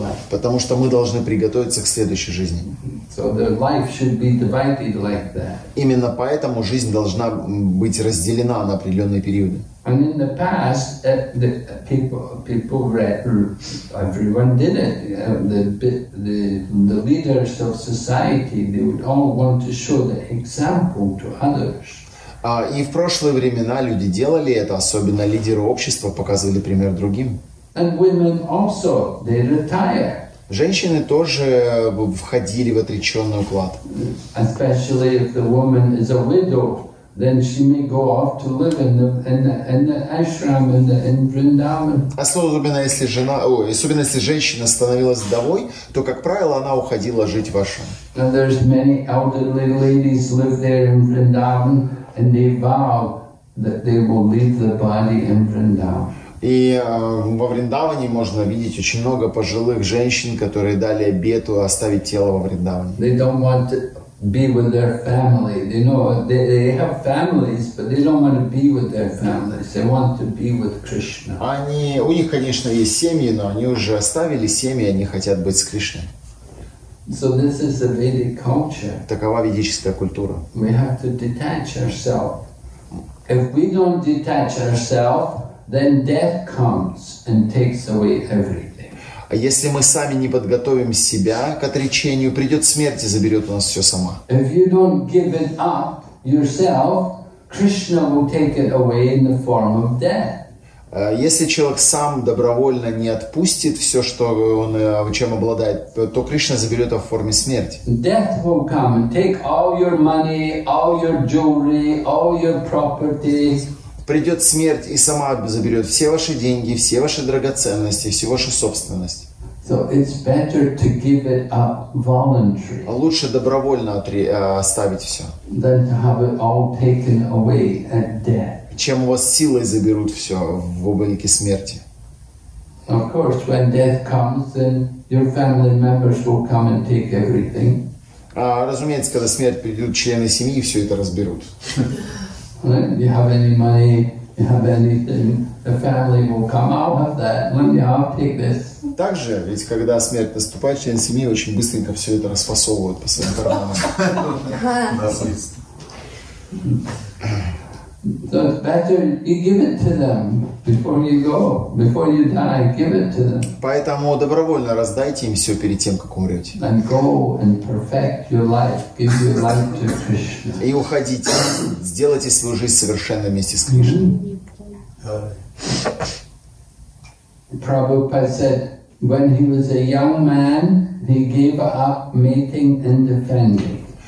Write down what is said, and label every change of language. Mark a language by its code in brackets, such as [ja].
[ru] Потому что мы должны приготовиться к следующей жизни. [en] So the life should be divided like that. [ru] Именно поэтому жизнь должна быть разделена на определенные периоды. [en] And in the past, the people read, everyone did it. The leaders of society, they would all want to show the example to others. [ru] И в прошлые времена люди делали это, особенно лидеры общества показывали пример другим. [en] And women also, they retire. [ru] Женщины тоже входили в отреченный уклад. [en] Especially if the woman is a widow. Then she may go off to live in the ashram in Vrindavan. [ru] Особенно если жена, особенно если женщина становилась вдовой, то как правило она уходила жить в ашрам. [en] And there's many elderly ladies live there in Vrindavan, and they vow that they will leave the body in Vrindavan. [ru] И во Вриндаване можно видеть очень много пожилых женщин, которые дали обету оставить тело во Вриндаване. [en] They don't want to be with their family. They know they have families, but they don't want to be with their families. They want to be with Krishna. [ru] Они, у них, конечно, есть семьи, но они уже оставили семьи, они хотят быть с Кришной. [en] So this is a Vedic culture. [ru] Такова ведическая культура. [en] We have to detach ourselves. If we don't detach ourselves, then death comes and takes away everything. [ru] А если мы сами не подготовим себя к отречению, придет смерть и заберет у нас все сама. [en] If you don't give it up yourself, Krishna will take it away in the form of death. [ru] Если человек сам добровольно не отпустит все, что он чем обладает, то Кришна заберет его в форме смерти. [en] Death will come and take all your money, all your jewelry, all your property. [ru] Придет смерть и сама заберет все ваши деньги, все ваши драгоценности, всю вашу собственность. [en] So it's better to give it up voluntarily. [ru] Лучше добровольно оставить все. [en] Than to have it all taken away at death. [ru] Чем у вас силой заберут все в облике смерти. [en] Of course, when death comes, then your family members will come and take everything. [ru] Разумеется, когда смерть придет, члены семьи все это разберут. [en] If you have any money, you have anything, the family will come out of that. Let me I'll take this. [ru] Также, ведь когда смерть наступает, члены семьи очень быстренько все это расфасовывают по своим карманам. [en] So it's better you give it to them before you go, before you die, give it to them. [ru] Поэтому добровольно раздайте им все перед тем, как умрете. [en] And go and perfect your life, give your life to Krishna. [ru] И уходите, сделайте свою жизнь совершенной вместе с Кришной. Mm-hmm. [en] Prabhupada said, when he was a young man, he gave up mating and defending.